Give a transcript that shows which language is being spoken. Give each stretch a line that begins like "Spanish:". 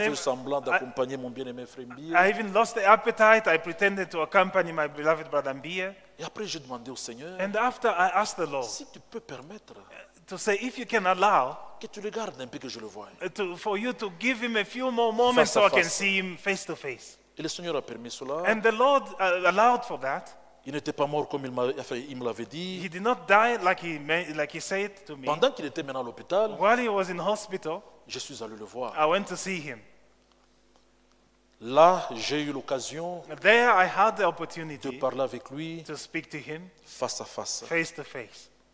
French: fait semblant d'accompagner mon bien-aimé frère Mbie.
English: I even lost the appetite. I pretended to accompany my beloved brother Mbie.
French: Et après, j'ai demandé au Seigneur.
English: And after, I asked the Lord.
French: Si tu peux permettre.
English: to say if you can allow
French: que tu le gardes un peu que je le voie.
English: To, for you to give him a few more moments so I can see him face to face.
French: Et le Seigneur a permis cela.
English: And the Lord allowed for that.
French: Il n'était pas mort comme il me l'avait dit.
English: He did not die like he said to me.
French: Pendant qu'il était maintenant à l'hôpital,
English: while he was in hospital,
French: je suis allé le voir.
English: I went to see him.
French: Là, j'ai eu l'occasion
English: there I had the opportunity
French: de parler avec lui
English: to speak to him
French: face à face.
English: Face to face.